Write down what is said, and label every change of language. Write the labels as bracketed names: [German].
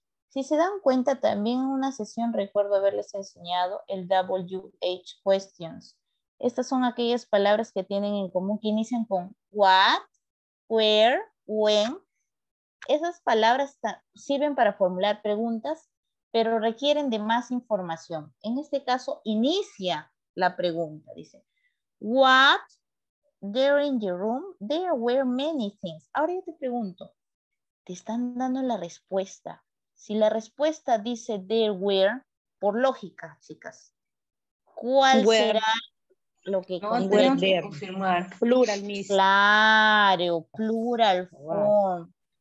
[Spanish] Si se dan cuenta, también en una sesión recuerdo haberles enseñado el WH questions. Estas son aquellas palabras que tienen en común, que inician con what, where, when. Esas palabras sirven para formular preguntas, pero requieren de más información. En este caso, inicia la pregunta. [English] Dice, what, there in your room, there were many things. [Spanish] Ahora yo te pregunto, te están dando la respuesta. Si la respuesta dice there were, por lógica, chicas, ¿cuál será lo que contiene? Confirmar. Plural, Miss. Claro, plural form.